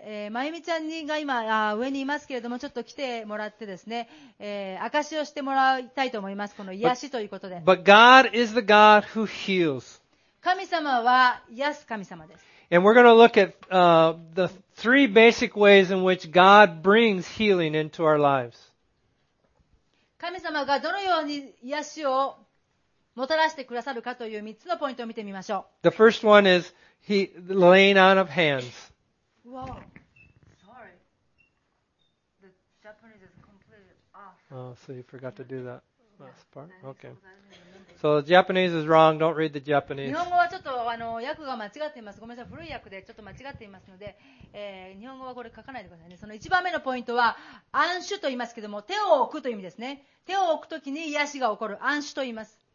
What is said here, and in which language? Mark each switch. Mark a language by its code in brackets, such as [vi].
[ja] まゆみちゃんにが今上にいますけれども、ちょっと来てもらってですね、証しをしてもらいたいと思います。この癒しということで。 [en] But God is the God who heals. [ja] 神様は癒す神様です。 [en] And we're going to look at the three basic ways in which God brings healing into our lives. [ja] 神様がどのように癒しをもたらしてくださるかという3つのポイントを見てみましょう。 [en] The first one is the laying on of hands. Whoa, sorry. The Japanese is completely off. Oh, so you forgot to do that last part? Okay. So, Japanese is wrong. Don't read the Japanese. [ja] 日本語はちょっと訳が間違っています。ごめんなさい、古い訳でちょっと間違っていますので、日本語はこれ書かないでくださいね。その1番目のポイントは安守と言いますけども、手を置くという意味ですね。手を置くときに癒しが起こる安守と言います。